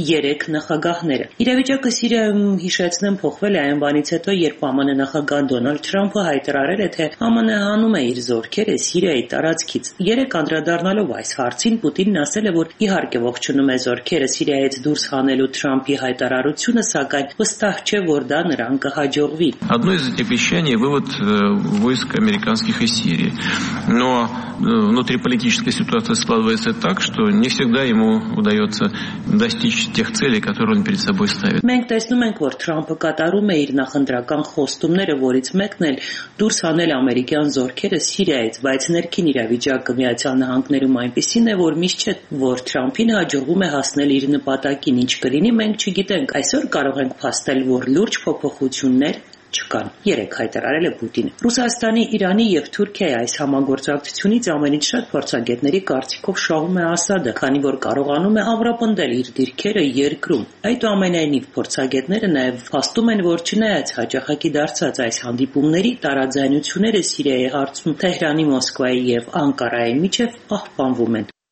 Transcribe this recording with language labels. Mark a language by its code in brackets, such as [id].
[hy] երեք նախագահները։ Իրավիճակը Սիրիայում, հիշեցնեմ, փոխվել է այնվանից հետո, երբ ԱՄՆ նախագահ Դոնալդ Թրամփը հայտարարել է, թե ԱՄՆ-ը հանում է իր զորքերը Սիրիայի տարածքից։ Երեկ անդրադառնալով այս հարցին Պուտինն ասել է, որ իհարկե ողջունում է զորքերը Սիրիայից դուրս հանելու Թրամփի հայտարարությունը, սակայն վստահ չէ, որ դա նրան կհաջողվի։ [ru] Одно из обещаний вывод войск американских из Сирии. Но внутриполитическая ситуация складывается так, что не всегда ему удается достичь тех целей, которые он перед собой ставит. [hy] Մենք տեսնում ենք, որ Թրամփը կատարում է իր նախընտրական խոստումները, որից մեկն էլ դուրս հանել ամերիկյան զորքերը Սիրիայից, բայց ներքին իրավիճակը Միացյալ Նահանգներում այնպիսին է, որ միշտ չէ, որ Թրամփին հաջողվում է հասնել իր նպատակին, ինչ կլինի, մենք չգիտենք, այսօր կարող ենք փաստել, որ լուրջ փոփոխություններ չկան, երեկ հայտարարել է Պուտինը։ Ռուսաստանի, Իրանի և Թուրքիայի այս համագործակցությունից ամենից շատ փորձագետների կարծիքով շահում է Ասադը, քանի որ կարողանում է ամրապնդել իր դիրքերը երկրում։ Այդուամենայնիվ փորձագետները նաև փաստում են, որ չնայած հաջախակի դարձած այս հանդիպումների, տարաձայնությունները Սիրիայի հարցում Թեհրանի, Մոսկվայի և Անկարայի միջև պահպանվում են։